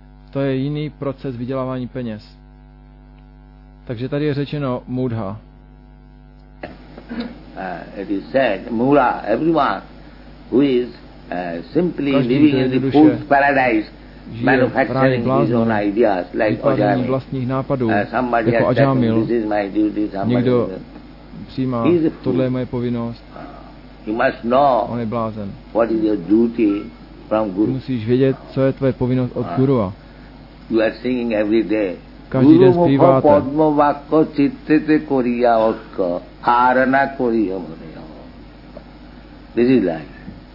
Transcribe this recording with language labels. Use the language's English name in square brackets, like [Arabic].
[Czech] To je jiný proces vydělávání peněz. Takže tady je řečeno mudha. [English] It is said, mudha, everyone who is simply living in the food paradise, manufacturing his own ideas, like Ajamil. Somebody [Czech] jako [English] has said, this is my duty, somebody [Czech] přijímá, tohle je moje povinnost. [English] You must know [Czech] on je blázen. [English] What is your duty from guru. [Czech] Ty musíš vědět, co je tvoje povinnost od gurua. [English] You are singing every day. [Czech] Každý den zpíváte. [Bangla] Guru padma vakko chittete koriya akka arana koriya mariya. [English] This is life.